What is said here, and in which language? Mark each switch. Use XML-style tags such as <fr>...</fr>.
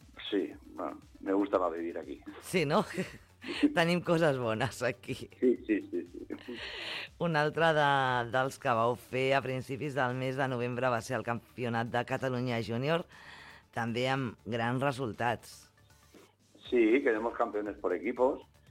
<es>Sí, bueno, me gusta más vivir aquí.</es> <ca>Sí, ¿no? Tenim coses bones aquí. Sí. Una altra dels que vau fer a principis del mes de novembre va ser el Campionat de Catalunya Júnior, també amb grans resultats.</ca> <es>Sí, quedemos campeones por equipos.</es>